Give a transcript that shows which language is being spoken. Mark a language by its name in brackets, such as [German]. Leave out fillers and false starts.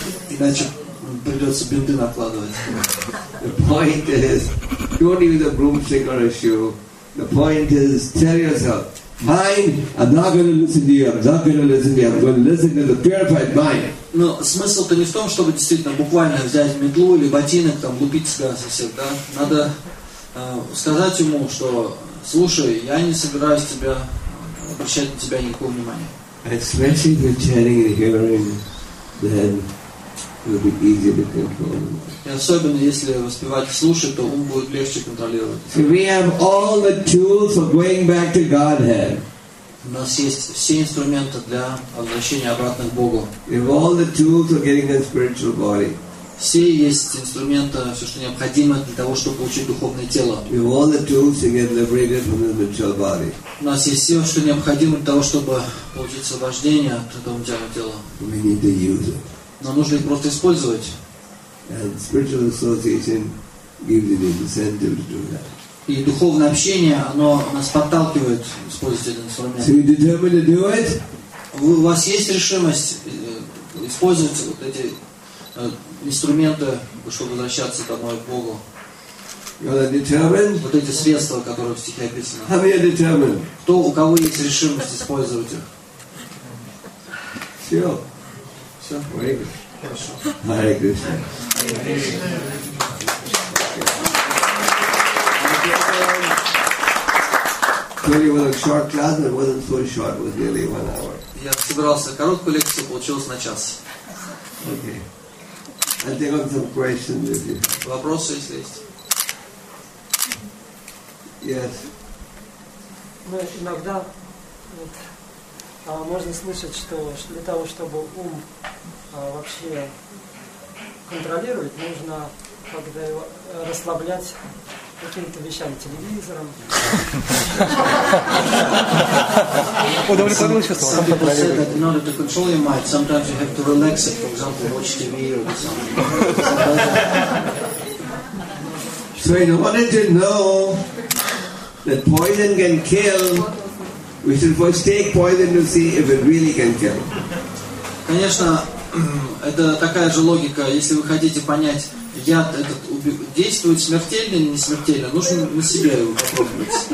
[Russian] Иначе придется бинты накладывать. [English] The point is, don't use a broomstick or a shoe. The point is, tell yourself, mind, I'm not going to listen to you, I'm not going to listen to you, I'm going to listen to the purified mind. [Russian] Но смысл-то не в том, чтобы действительно буквально взять метлу или ботинок, там, лупить себя со всех, да? Надо сказать ему, что, слушай, я не собираюсь тебя... [English] Especially if you're chanting and hearing, then it'll be easier to control. [Russian] И особенно если воспевать и слушать, то ум будет легче контролировать. [English] So we have all the tools for going back to Godhead. [Russian] У нас есть все инструменты для возвращения обратно к Богу. [English] We have all the tools for getting a spiritual body. [Russian] Все есть инструменты, все, что необходимо для того, чтобы получить духовное тело. [English] We have all the tools to get liberated from the material body. [Russian] У нас есть все, что необходимо для того, чтобы получить освобождение от этого материального тела. [English] We need to use it. [Russian] Но нужно их просто использовать. [English] And spiritual association gives you the incentive to do that. [Russian] И духовное общение, оно нас подталкивает использовать этот инструмент. [English] So you determine to do it? [Russian] У вас есть решимость использовать вот эти... инструменты, чтобы возвращаться домой к Богу. Вот эти средства, которые в стихе описаны. Кто, у кого есть решимость использовать их? Все. Все. Хорошо. Hare Krishna. [English] Really was a short class, but wasn't so short. It was nearly 1 hour. [Russian] Я собирался короткую лекцию, получилось на час. [English] I think of some questions with you. [Russian] Вопросы, если есть. [English] Yes. [Russian] Мы иногда вот, можно слышать, что для того, чтобы ум вообще контролировать, нужно когда его расслаблять какими-то вещами, телевизором. Удовлетворилось, что [English] in order to control your mind, sometimes you have to relax it, for example, watch TV or something. So in order to know that poison can kill, we should first take poison to see if it really can kill. [Russian] Конечно, это такая же логика, если вы хотите понять, яд этот действует смертельно или не смертельно? Нужно на себе его попробовать.